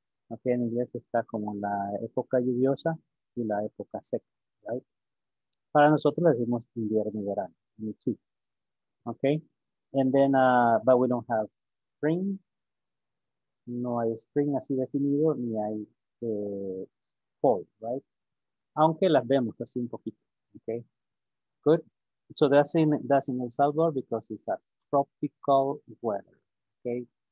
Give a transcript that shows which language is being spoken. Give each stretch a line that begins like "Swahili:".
Spanish: Okay, en inglés está como la época lluviosa y la época seca, right? Para nosotros le decimos invierno y verano,
English: me too. Okay, and then, but we don't have spring.
Spanish: No hay spring así definido, ni hay fall, right? Aunque las vemos así un poquito, okay?
English: Good, so that's in El Salvador because it's a tropical weather, okay?